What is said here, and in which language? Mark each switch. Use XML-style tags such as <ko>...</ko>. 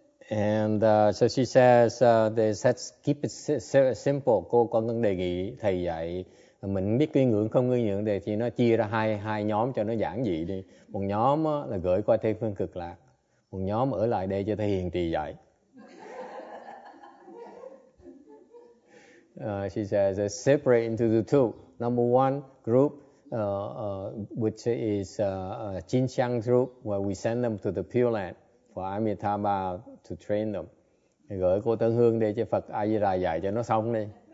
<en>And so she says, let's keep it simple.</en> <vi>Cô có đề nghị thầy dạy mình biết quy ngưỡng không quy ngưỡng thì nó chia ra hai nhóm cho nó giản dị đi. Một nhóm là gửi qua Tây Phương Cực Lạc. Một nhóm ở lại đây cho thầy hiền trì dạy.</vi> <en>She says, separate into the two. Number one group, which is Jinxiang group, where we send them to the Pure Land for Amitabha to train them.</en> <vi>Gửi cô Tân Hương đi cho Phật A Di Đà dạy cho nó xong đi.</vi>